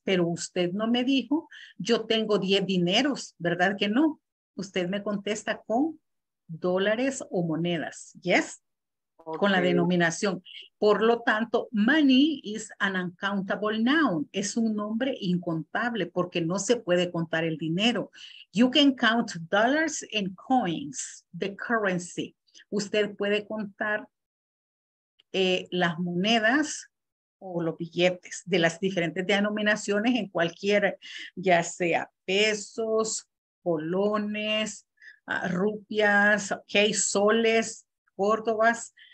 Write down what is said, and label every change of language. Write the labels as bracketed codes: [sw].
[es] Pero usted no me dijo, yo tengo 10 dineros, ¿verdad que no? Usted me contesta con dólares o monedas, ¿yes? Okay. Con la denominación. Por lo tanto, [en] money is an uncountable noun. [es] Es un nombre incontable porque no se puede contar el dinero. [en] You can count dollars and coins, the currency. [es] Usted puede contar las monedas o los billetes de las diferentes denominaciones en cualquier, ya sea pesos, colones, rupias, okay, soles, córdobas,